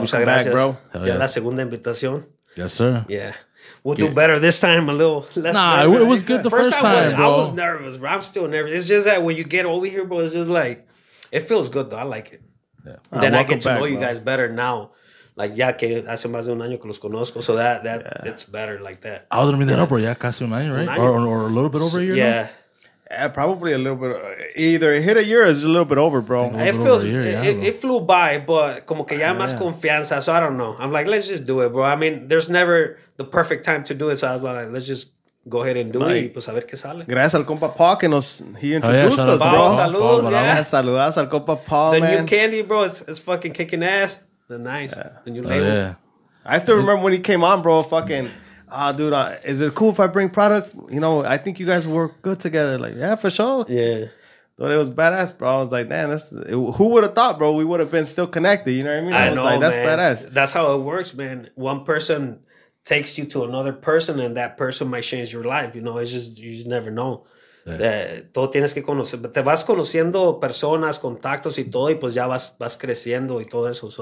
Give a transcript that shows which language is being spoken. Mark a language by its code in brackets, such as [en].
[es] Muchas gracias. [en] Back, bro. Hell yeah. [es] La segunda invitación. [en] Yes, sir. Yeah. We'll do better this time, a little less nervous. Nah, it was good the first time, bro. I was nervous, bro. I'm still nervous. It's just that when you get over here, bro, it's just like, it feels good, though. I like it. Yeah. Then I get to know you guys better now. [es] Like, ya que hace más de un año que los conozco. [en] So that it's better like that. I was going to bring that up, bro. [es] Ya casi un año, [en] right? Or a little bit over a year? Yeah. Yeah, probably a little bit. Either it hit a year or it's a little bit over, bro. It flew by, but [es] como que ya más confianza. [en] So I don't know. I'm like, let's just do it, bro. I mean, there's never the perfect time to do it. So I was like, let's just go ahead and do it. [es] Y pues a ver qué sale. Gracias al compa Paul que [en] he introduced us, bro. [es] Saludos al compa Paul, [en] man. The new candy, bro. It's fucking kicking ass. The nice, yeah. The new label. Yeah. I still remember when he came on, bro. Fucking, dude, is it cool if I bring product? You know, I think you guys work good together. Like, yeah, for sure. Yeah, but it was badass, bro. I was like, damn, who would have thought, bro? We would have been still connected. You know what I mean? I know, like, that's badass. That's how it works, man. One person takes you to another person, and that person might change your life. You know, it's just you just never know. [es] Todo tienes que conocer, te vas conociendo personas, contactos y todo, y pues ya vas creciendo y todo eso.